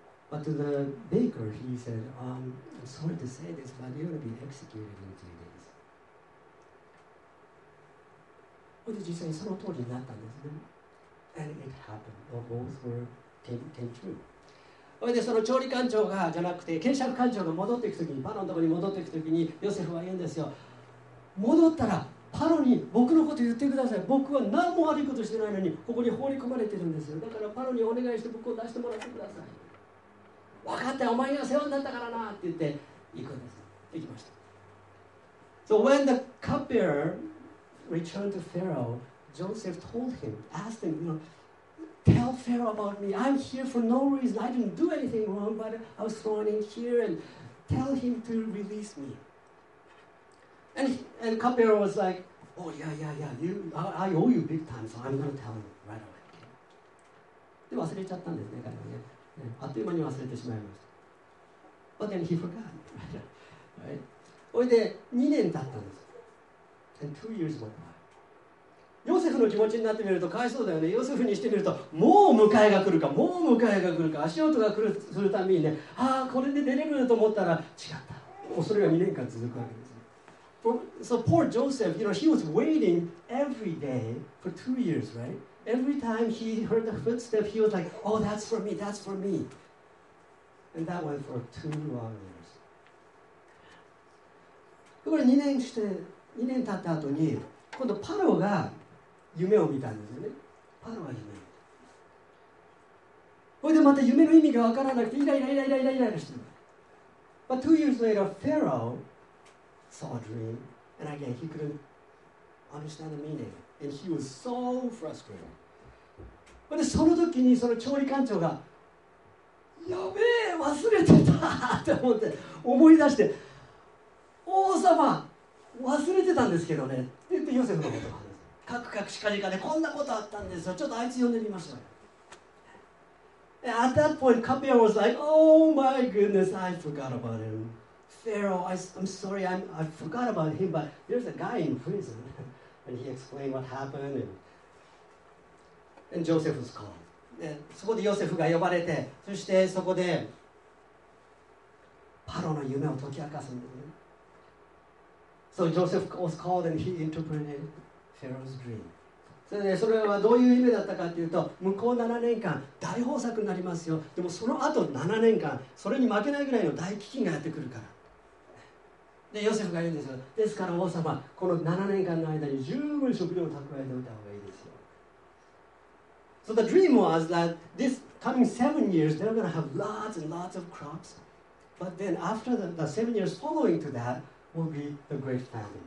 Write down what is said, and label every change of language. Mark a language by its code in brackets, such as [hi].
[en] But to the baker, he said, I'm sorry to say this, but you're going to be executed in 3 days. [ja] で実際にその通りになったんですね。 [en] And it happened. The both were came true. [ja] それでその調理官長がじゃなくて、検察官長が戻っていくときに、パロのところに戻っていくときに、ヨセフは言うんですよ。戻ったらパロに僕のこと言ってください。僕は何も悪いことしてないのに、ここに放り込まれてるんですよ。だからパロにお願いして僕を出してもらってください。分かった、お前が世話になったからなって言って行くんです。行きました。 [en] So when the cupbearer returned to Pharaoh, Joseph told him, asked him, you know, tell Pharaoh about me. I'm here for no reason. I didn't do anything wrong, but I was thrown in here and tell him to release me. And cupbearer was like, oh, yeah, you, I owe you big time, so I'm going to tell him right away. [ja] で、忘れちゃったんですね、彼はね。あっという間に忘れてしまいました。 [en] But then he forgot. Right? [ja] それで、2年経ったんです。 [en] And 2 years went by. [ja] ヨセフの気持ちになってみるとかわいそうだよね。ヨセフにしてみると、もう迎えが来るか、もう迎えが来るか、足音が来るするたびにね、ああ、これで出れると思ったら違った。もうそれが2年間続くわけですね。 [en] So poor Joseph, you know, he was waiting every day for 2 years, right? Every time he heard the footstep, he was like, oh, that's for me, that's for me. And that went for 2 long years. [ja] これ2年して、2年経った後に今度パロが夢を見たんですよね。パロが夢を見た。それでまた夢の意味が分からなくてイライラしてる。 [en] But 2 years later, Pharaoh saw a dream, and again he couldn't understand the meaning, and he was so frustrated. [ja] それでその時にその調理官長がやべえ忘れてたって思って思い出して王様。忘れてたんですけどねって言ってヨセフのことがカクカクしかじかでこんなことあったんですよ。ちょっとあいつ呼んでみましょう。 [en] At that point, Kapia was like, oh my goodness, I forgot about him. Pharaoh, I'm sorry, I forgot about him, but there's a guy in prison. And he explained what happened. And Joseph was called. [ja] でそこでヨセフが呼ばれて、そしてそこでパロの夢を解き明かすんですね。 [en] So Joseph was called and he interpreted Pharaoh's dream. So, [ja] それはどういう夢だったかというと、向こう7年間大豊作になりますよ。でもその後7年間、それに負けないぐらいの大飢饉がやってくるから。で、ヨセフが言うんですよ。ですから王様、この7年間の間に十分食料を蓄えておいた方がいいですよ。 [en] So the dream was that this coming 7 years, they're going to have lots and lots of crops. But then after the 7 years following to that, will be the great famine.